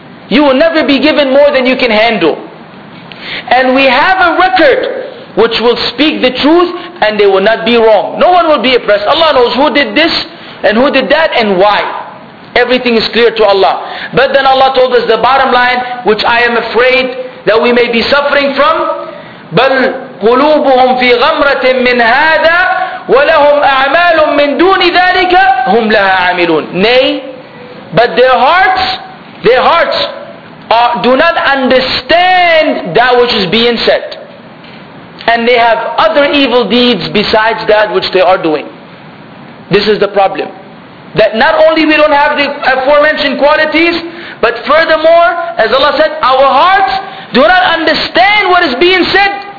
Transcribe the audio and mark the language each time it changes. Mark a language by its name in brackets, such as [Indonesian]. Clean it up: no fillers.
[English] You will never be given more than you can handle. And we have a record which will speak the truth and they will not be wrong. No one will be oppressed. Allah knows who did this and who did that and why. Everything is clear to Allah. But then Allah told us the bottom line, which I am afraid that we may be suffering from. [Arabic] بَلْ قُلُوبُهُمْ فِي غَمْرَةٍ مِّنْ هَذَا وَلَهُمْ أَعْمَالٌ مِّنْ دُونِ ذَلِكَ هُمْ لَهَا عَمِلُونَ [English] Nay, but their hearts do not understand that which is being said. And they have other evil deeds besides that which they are doing. This is the problem. That not only we don't have the aforementioned qualities, but furthermore, as Allah said, our hearts do not understand what is being said.